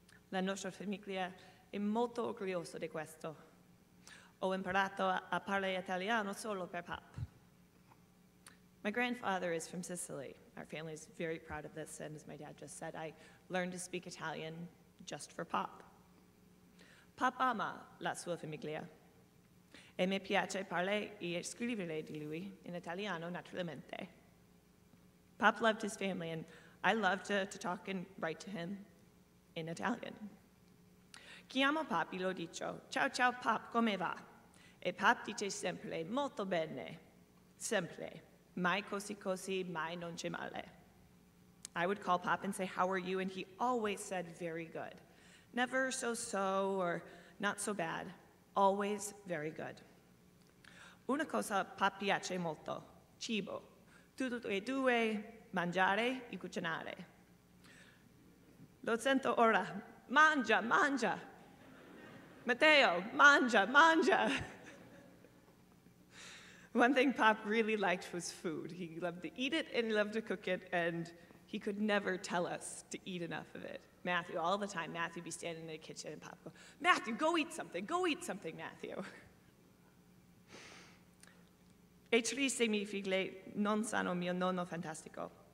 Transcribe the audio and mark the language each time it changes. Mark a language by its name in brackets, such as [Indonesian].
[Italian] La nostra famiglia è molto orgogliosa di questo. Ho imparato a parlare italiano solo per pap. [English] My grandfather is from Sicily. Our family is very proud of this, and as my dad just said, I learned to speak Italian just for pop. [Italian] Pop ama la sua famiglia. E mi piace parlare e scrivere di lui in italiano, naturalmente. [English] Pop loved his family, and I loved to talk and write to him in Italian. [Italian] Chiamo pop e lo dico, ciao ciao pop, come va? E pop dice sempre, molto bene, sempre. Mai così così, mai non c'è male. [English] I would call pop and say, how are you? And he always said, very good. Never so-so or not so bad. Always very good. [Italian] Una cosa pop piace molto, cibo. Tutte e due, mangiare e cucinare. Lo sento ora, mangia, mangia. Matteo, mangia, mangia. [English] One thing Pop really liked was food. He loved to eat it and he loved to cook it, and he could never tell us to eat enough of it. Matthew, all the time, Matthew would be standing in the kitchen and Pop would go, Matthew, go eat something, Matthew. [Italian] E triste, mi figli, non sanno mio nonno fantastico.